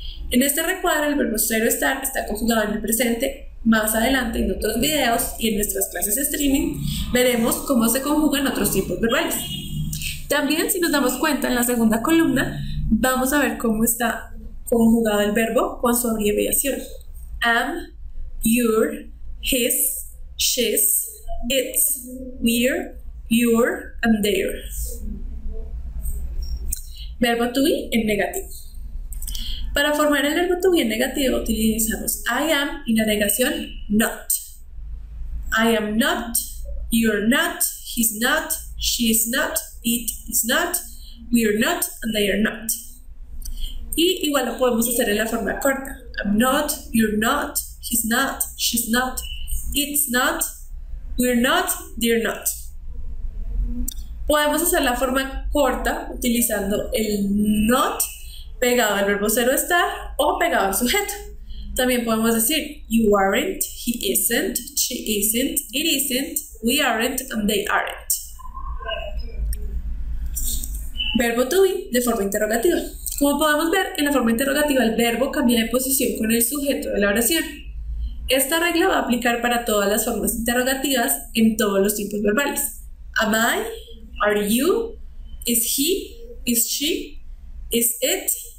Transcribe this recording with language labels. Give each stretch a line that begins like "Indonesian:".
Spanish: En este recuadro, el verbo ser o estar está conjugado en el presente. Más adelante, en otros videos y en nuestras clases de streaming, veremos cómo se conjugan otros tipos verbales. También, si nos damos cuenta, en la segunda columna, vamos a ver cómo está conjugado el verbo con su abreviación.
English: Am, your, his, she's, it's, we're, your, and their.
Spanish: Verbo to be en negativo. Para formar el verbo to be en negativo utilizamos I am y la negación not.
English: I am not, you're not, he's not, she is not, it is not, we are not, and they are not.
Spanish: Y igual lo podemos hacer en la forma corta.
English: I'm not, you're not, he's not, she's not, it's not, we're not, they're not.
Spanish: Podemos hacer la forma corta utilizando el not pegado al verbo ser o estar o pegado al sujeto.
English: También podemos decir you aren't, he isn't, she isn't, it isn't, we aren't, and they aren't.
Spanish: Verbo to be de forma interrogativa. Como podemos ver, en la forma interrogativa el verbo cambia de posición con el sujeto de la oración. Esta regla va a aplicar para todas las formas interrogativas en todos los tiempos verbales.
English: Am I? Are you? Is he? Is she? Is it?